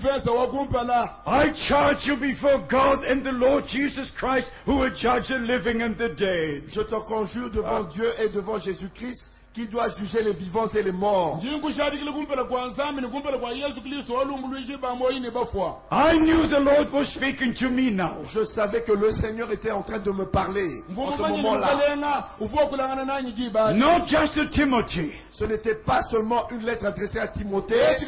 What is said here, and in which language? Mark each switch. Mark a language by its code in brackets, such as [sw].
[en] I charge you before God and the Lord Jesus Christ, who will judge the living and the dead. [fr] Je te conjure devant Dieu est devant Jésus-Christ qui doit juger les vivants et les morts. [en] I knew the Lord was speaking to me now. [fr] Je savais que le Seigneur était en train de me parler en ce moment-là. [en] Not just Timothy. [fr] Ce n'était pas seulement une lettre adressée à Timothée.